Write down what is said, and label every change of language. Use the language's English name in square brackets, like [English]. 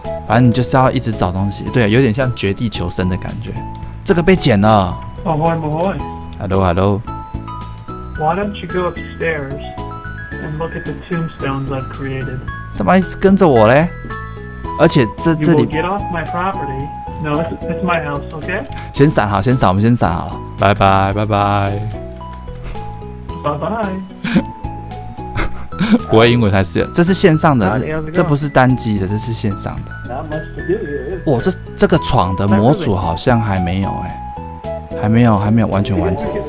[Chinese] 反正你就是要一直找东西，对，有点像绝地求生的感觉。这个被剪了。 [English] Ahoy, ahoy. Hello. Why don't you go upstairs and look at the tombstones I've created? [Chinese] 怎么一直跟着我嘞？而且这里。 [English] You will get off my property. No, it's my house, okay? [Chinese] 先闪好，先闪，我们先闪好了。 [English] Bye. Bye. [Chinese] 不会英文还是这是线上的，这不是单机的，这是线上的。哇，这个闯的模组好像还没有哎、欸，还没有完全完成。